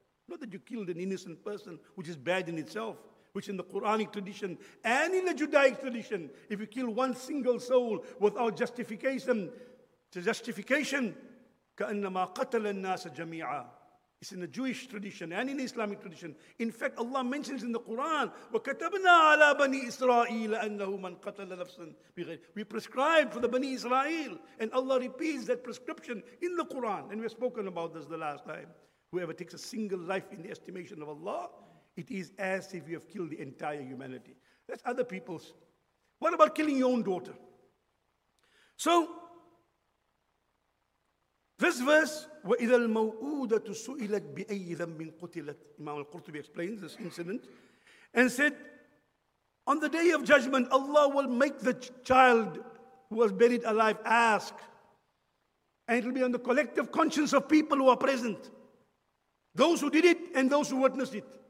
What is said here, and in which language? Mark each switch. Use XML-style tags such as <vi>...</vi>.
<en>Not that you killed an innocent person, which is bad in itself, which in the Quranic tradition and in the Judaic tradition, if you kill one single soul without justification,</en> <ar>كَأَنَّمَا قَتَلَ النَّاسَ جَمِيعًا.</ar> <en>It's in the Jewish tradition and in the Islamic tradition. In fact, Allah mentions in the Quran,</en> <ar>وَكَتَبْنَا عَلَى بَنِي إِسْرَائِيلَ أَنَّهُ مَنْ قَتَلَ نَفْسًا بِغَيْرِ.</ar> <en>We prescribe for the Bani Israel, and Allah repeats that prescription in the Quran. And we have spoken about this the last time. Whoever takes a single life in the estimation of Allah, it is as if you have killed the entire humanity. That's other people's. What about killing your own daughter? So, This verse,</en> <ar>وَإِذَا الْمَوْؤُودَةُ سُئِلَتْ بِأَيِّ ذَنْبٍ قُتِلَتْ.</ar> <en>Imam al-Qurtubi explains this incident and said, on the day of judgment, Allah will make the child who was buried alive ask, and it will be on the collective conscience of people who are present, those who did it and those who witnessed it.</en>